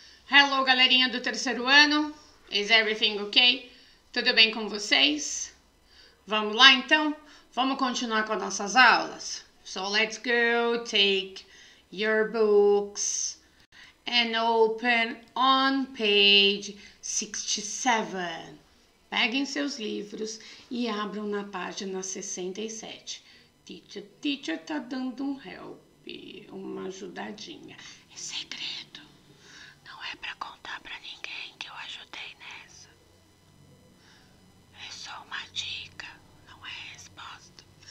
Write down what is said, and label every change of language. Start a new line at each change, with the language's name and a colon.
Portuguese: Alô, galerinha do terceiro ano.
English: Is everything okay?
Portuguese: Tudo bem com vocês? Vamos lá então? Vamos continuar com as nossas aulas.
English: So let's go take your books and open on page 67.
Portuguese: Peguem seus livros e abram na página 67. Teacher tá dando um help, uma ajudadinha. É segredo. É pra contar pra ninguém que eu ajudei nessa. É só uma dica, não é resposta.